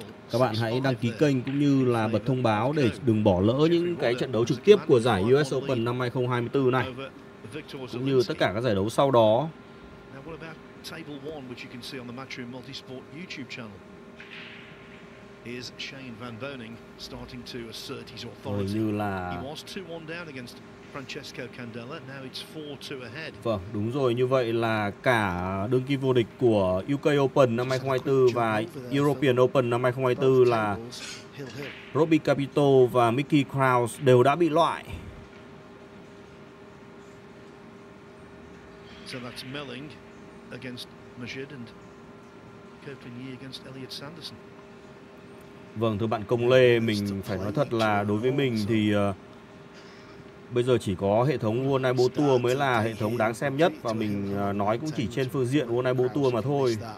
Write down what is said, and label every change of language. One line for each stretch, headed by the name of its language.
Vietnamese: Các bạn hãy đăng ký kênh cũng như là bật thông báo để đừng bỏ lỡ những cái trận đấu trực tiếp của giải US Open năm 2024 này, cũng như tất cả các giải đấu sau đó.
English: What about table one, which you can see on the Matchroom Multisport YouTube channel? Is Shane Van Boning starting to assert his authority?
Vietnamese: Như là...
English: He was 2-1 down against Francesco Candela, now it's 4-2 ahead.
Vietnamese: Vâng, đúng rồi, như vậy là cả đương kim vô địch của UK Open năm 2024 và European Open năm 2024 là Robbie Capito và Mickey Krause đều đã bị loại.
English: So that's Melling against Majid and Copenhagen against Elliot Sanderson.
Vietnamese: Vâng, thưa bạn Công Lê, mình phải nói thật là đối với mình thì bây giờ chỉ có hệ thống World Naibo Tour mới là hệ thống đáng xem nhất, và mình nói cũng chỉ trên phương diện World Naibo Tour mà thôi.